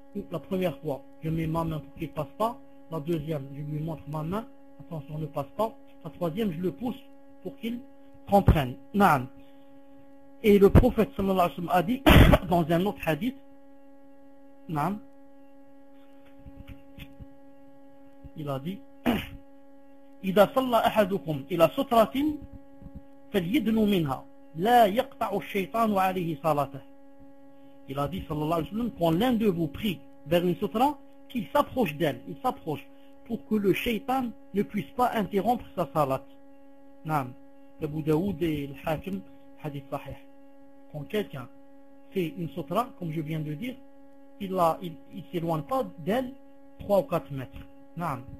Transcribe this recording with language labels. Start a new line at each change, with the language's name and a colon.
French: La première fois, je mets ma main pour qu'il ne passe pas. La deuxième, je lui montre ma main. Attention, ne passe pas. La troisième, je le pousse pour qu'il comprenne. Non. Et le prophète sallallahu alayhi wa sallam a dit, dans un autre hadith, non.
Arabic: Il a dit, إذا صلى أحدكم إلى سترة فليدنو منها لا يقطع الشيطان عليه صلاته.
French: Il a dit sallallahu alayhi wa sallam, quand l'un de vous prie vers une sutra, qu'il s'approche d'elle, il s'approche pour que le shaitan ne puisse pas interrompre sa salat. Naam. Abu Daoud et le Hakim, hadith sahih. Quand quelqu'un fait une sutra, comme je viens de dire, il s'éloigne pas d'elle 3 ou 4 mètres. Naam.